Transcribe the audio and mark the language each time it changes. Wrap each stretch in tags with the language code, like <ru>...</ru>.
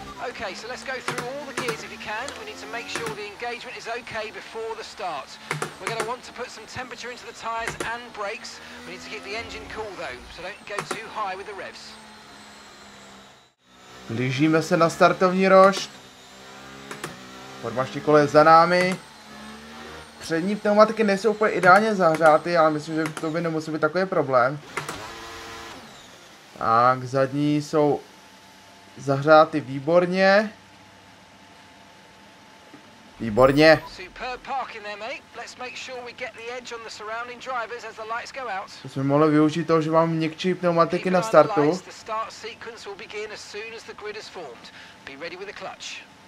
<en>Okay, so let's go through all the gears if you can. We need to make sure the engagement is okay before the start. We're going to want to put some temperature into the tyres and brakes. We need to keep the engine cool though, so don't go too high with the revs.</en> <cs>Blížíme se na startovní rošt. Podmaští kolo je za námi. Přední pneumatiky nejsou úplně ideálně zahřáty, ale myslím, že to by nemusel být takový problém. Tak, zadní jsou zahřáty výborně. Výborně.</cs> <en>Superb parking there, mate. Let's make sure we get the edge on the surrounding drivers as the lights go out.</en> <cs>To jsme mohli využít toho, že mám měkčí pneumatiky na startu.</cs> <en>The start sequence will begin as soon as the grid is formed. Be ready with the clutch.</en>